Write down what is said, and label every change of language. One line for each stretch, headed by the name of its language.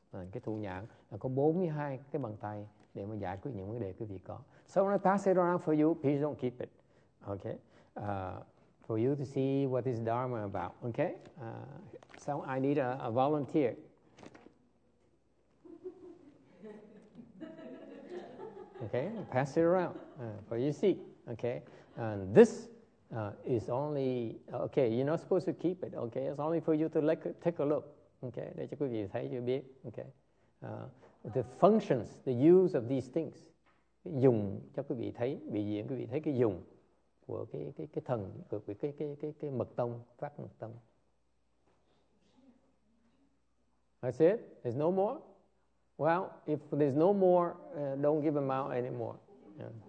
Vietnamese: Cái thủ nhãn là có 42 cái bàn tay để mà giải quyết những vấn đề quý vị có.
English: So I'm going to pass it around for you. Please don't keep it. Okay? For you to see what this dharma is about. Okay? So I need a volunteer. Okay, pass it around for you see. Okay, and this is only okay. You're not supposed to keep it. Okay, it's only for you to take a look.
Vietnamese: Okay, để cho quý vị thấy chưa biết.
English: Okay, the functions, the use of these things,
Vietnamese: dùng cho quý vị thấy, biểu diễn quý vị thấy cái dùng của cái thần của cái mật tông, pháp mật tông.
English: That's it. There's no more. Well, if there's no more, don't give them out anymore. Yeah.